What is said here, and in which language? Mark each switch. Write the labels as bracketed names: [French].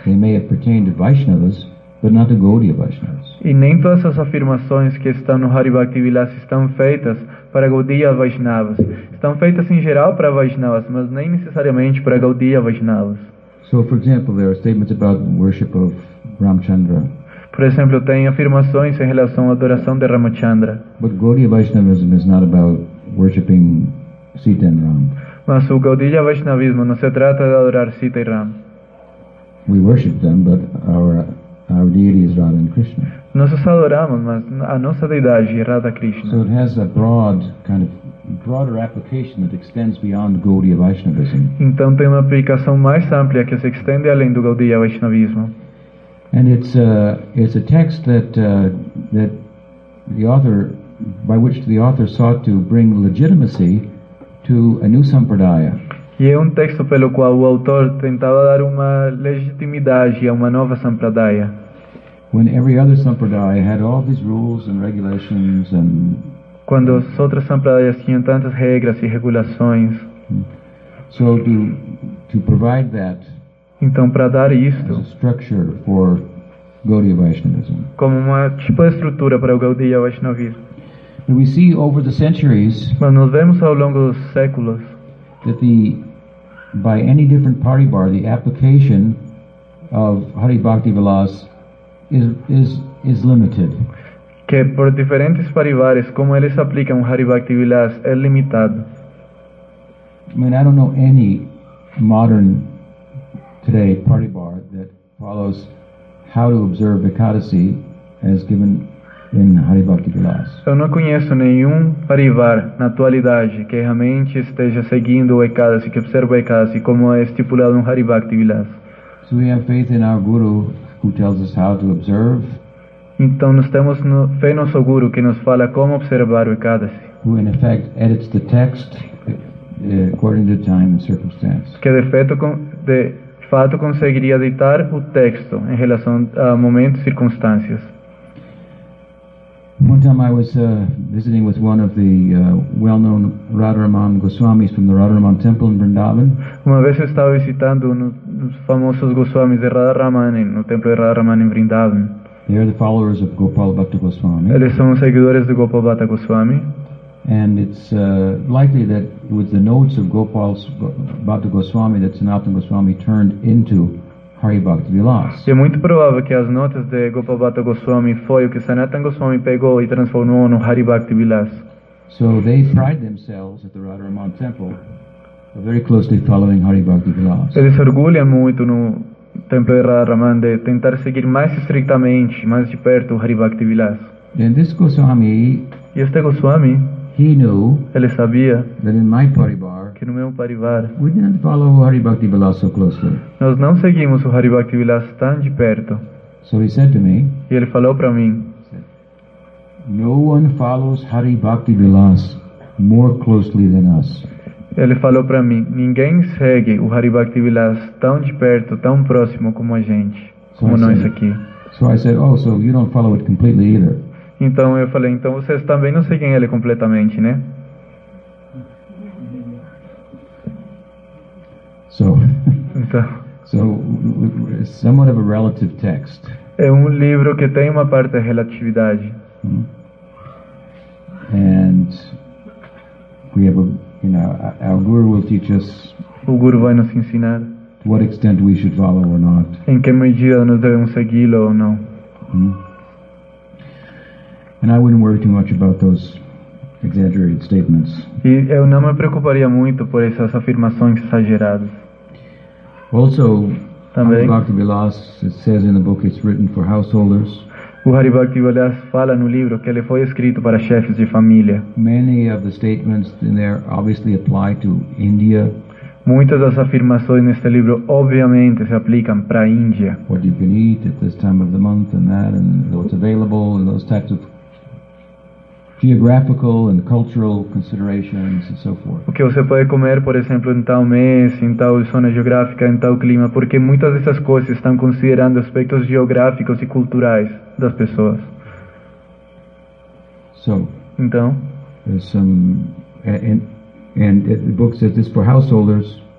[English] They may have pertained to Vaishnavas, but not to Gaudiya Vaishnavas. [Portuguese] E nem todas as afirmações que estão no Hari Bhakti Vilas estão feitas para Gaudiya Vaishnavas. Estão feitas em geral para Vaishnavas, mas nem necessariamente para Gaudiya Vaishnavas. [English] So, for example, there are statements about worship of Ramchandra. [Portuguese] Por exemplo, tem afirmações em relação à adoração de Ramachandra. [English] But Gaudiya Vaishnavism is not about worshiping Sita and Ram. [Portuguese] Mas o Gaudiya Vaishnavismo não se trata de adorar Sita e Ram. [English] We worship them, but our deity is Radha and Krishna. [Portuguese] Nós os adoramos, mas a nossa deidade é Radha Krishna. [English] So it has a broad kind of broader application that extends beyond Gaudiya Vaishnavism. [Portuguese] Então tem uma aplicação mais ampla que se estende além do Gaudiya Vaishnavismo. [English] And it's a text that the author, by which the author sought to bring legitimacy to a new sampradaya. [Portuguese] E é texto pelo qual o autor tentava dar uma legitimidade a uma nova sampradaya. [English] When every other sampradaya had all these rules and regulations and [Portuguese] quando as outras sampradayas tinham tantas regras e regulações. [English] So to provide that. [Portuguese] Então para dar isto. [English] As a structure for Gaudiya Vaishnavism. [Portuguese] Como uma tipo de estrutura para o Gaudiya Vaishnavismo. [English] We see over the centuries. [Portuguese] Mas nós vemos ao longo dos séculos. [English] That by any different party bar, the application of Hari Bhakti Vilas is limited. [Portuguese] Que por diferentes parivares, como eles aplicam Hari Bhakti Vilas, é limitado. [English] I mean, I don't know any modern today party bar that follows how to observe Ekadasi as given in Hari Bhakti Vilas. [Portuguese] Eu não conheço nenhum parivar na atualidade que realmente esteja seguindo o Ekadasi, que observa o Ekadasi como é estipulado no Hari Bhakti Vilas. [English] So we have faith in our guru who tells us how to observe. [Portuguese] Então nós temos fé no nosso guru que nos fala como observar o Ekadasi. [English] Who in effect edits the text according to time and circumstance. [Portuguese] Que de fato conseguiria editar o texto em relação a momentos e circunstâncias. [English] One time I was visiting with one of the well-known Radharaman Goswamis from the Radharaman Temple in Vrindavan. [Portuguese] Uma vez estava visitando os famosos Goswamis de Radharaman no templo de Radharaman em Vrindavan. [English] They are the followers of Gopal Bhatta Goswami. [Portuguese] Eles são os seguidores de Gopal Bhatta Goswami. [English] And it's likely that it was the notes of Gopal Bhatta Goswami that Sanatana Goswami turned into Hari Bhakti Vilas. [Portuguese] É muito provável que as notas de Gopal Bhatta Goswami foi o que Sanatana Goswami pegou e transformou no Hari Bhakti Vilas. [English] So they pride themselves at the Radharaman Temple very closely following Hari Bhakti Vilas. [Portuguese] Eles orgulham muito no templo de Radharaman de tentar seguir mais estritamente, mais de perto o Hari Bhakti Vilas. [English] And this Goswami, [Portuguese] e este Goswami, [English] he knew [Portuguese] ele sabia [English] that in my party bar, [Portuguese] aqui no mesmo Parivara. [English] We didn't follow Hari Bhakti Vilas so closely. [Portuguese] Nós não seguimos o Hari Bhakti Vilas tão de perto. [English] So he said to me. [Portuguese] E ele falou para mim. [English] No one follows Hari Bhakti Vilas more closely than us. [Portuguese] Ele falou para mim, ninguém segue o Hari Bhakti Vilas tão de perto, tão próximo como a gente, [English] so [Portuguese] como [English] I [Portuguese] nós [English] said, [Portuguese] aqui. [English] So I said, oh, so you don't follow it completely either. [Portuguese] Então eu falei, então vocês também não seguem ele completamente, né? [English] So, [Portuguese] então, [English] so somewhat of a relative text. [Portuguese] É livro que tem uma parte da relatividade. Mm-hmm. [English] And we have a, you know, our guru will teach us. [Portuguese] O guru vai nos ensinar. [English] To what extent we should follow or not. [Portuguese] Em que medida nós devemos segui-lo ou não. Mm-hmm. [English] And I wouldn't worry too much about those exaggerated statements. [Portuguese] E eu não me preocuparia muito por essas afirmações exageradas. [English] Also, [Portuguese] também, [English] Hari Bhakti Vilas, it says in the book, it's written for householders. [Portuguese] O Hari Bhakti Vilas fala no livro que ele foi escrito para chefes de família. [English] Many of the statements in there obviously apply to India. [Portuguese] Muitas das afirmações neste livro obviamente se aplicam para a Índia. [English] What you can eat at this time of the month and that and what's available and those types of geographical and cultural considerations and so forth. [Portuguese] O que você pode comer, por exemplo, em tal mês, em tal zona geográfica, em tal clima, porque muitas dessas coisas estão considerando aspectos geográficos e culturais das pessoas. [English] So, [Portuguese] então, [English] and the book says this for householders.